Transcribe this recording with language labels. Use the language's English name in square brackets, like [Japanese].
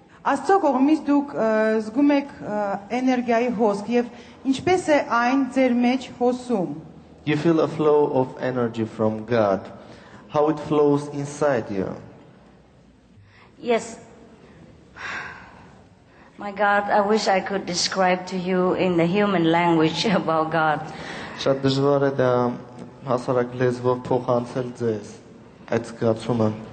[Armenian] Աստծո կողմից դուք զգում եք էներգիայի հոսք, եւ ինչպես է այն ձեր մեջ հոսում։ [English] You feel a flow of energy from God. How it flows inside you? Yes. My God, I wish I could describe to you in the human language about God. [Armenian] Շատ դժվար է դա հասարակ լեզվով փոխանցել ձեզ այդ զգացումը։